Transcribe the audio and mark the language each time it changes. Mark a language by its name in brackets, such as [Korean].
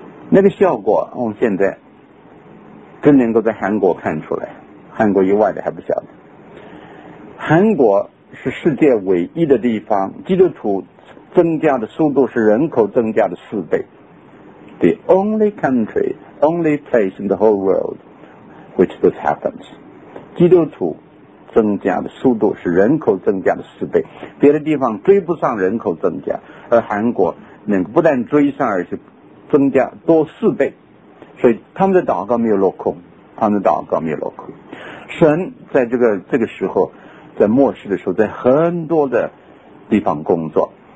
[Chinese] 那个效果我们现在真能够在韩国看出来，韩国以外的还不晓得。韩国是世界唯一的地方，基督徒增加的速度是人口增加的4倍。 [English] The only country, only place in the whole world which this happens. [Chinese] 基督徒增加的速度是人口增加的4倍，别的地方追不上人口增加，而韩国能不但追上，而且增加多4倍。所以他们的祷告没有落空，他们的祷告没有落空。神在这个时候，在末世的时候，在很多的地方工作。